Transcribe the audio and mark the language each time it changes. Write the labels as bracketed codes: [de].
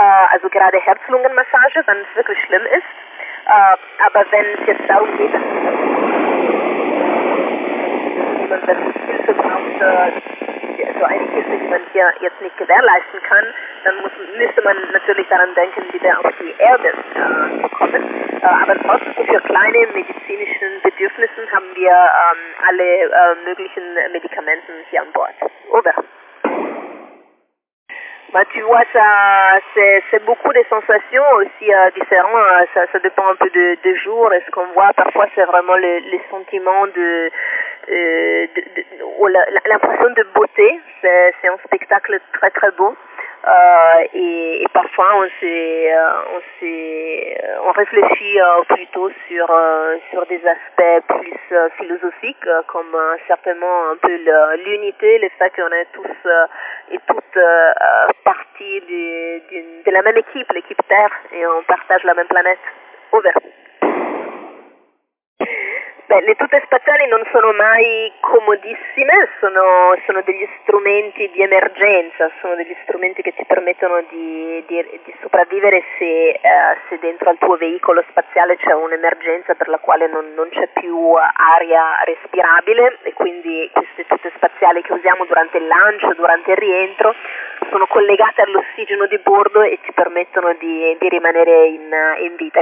[de] Also gerade Herz-Lungen-Massage, wenn es wirklich schlimm ist. Aber wenn es jetzt darum geht, dass man Hilfe braucht, so eine Hilfe, die man hier jetzt nicht gewährleisten kann, dann müsste man natürlich daran denken, wieder auf die Erde zu kommen. Aber trotzdem für kleine medizinische Bedürfnisse haben wir alle möglichen Medikamente hier an Bord. [en] Over. [fr] Bah, tu vois, ça, c'est beaucoup de sensations aussi différentes. Ça dépend un peu de jour. Et ce qu'on voit parfois, c'est vraiment les sentiments l'impression de beauté. C'est un spectacle très très beau. Et parfois, on réfléchit plutôt sur des aspects plus philosophiques, comme certainement un peu l'unité, le fait qu'on est tous et toutes partie de la même équipe, l'équipe Terre, et on partage la même planète. [en] Over. [it] Beh, le tute spaziali non sono mai comodissime, sono degli strumenti di emergenza, sono degli strumenti che ti permettono di sopravvivere se dentro al tuo veicolo spaziale c'è un'emergenza per la quale non c'è più aria respirabile e quindi queste tute spaziali che usiamo durante il lancio, durante il rientro, sono collegate all'ossigeno di bordo e ti permettono di rimanere in vita.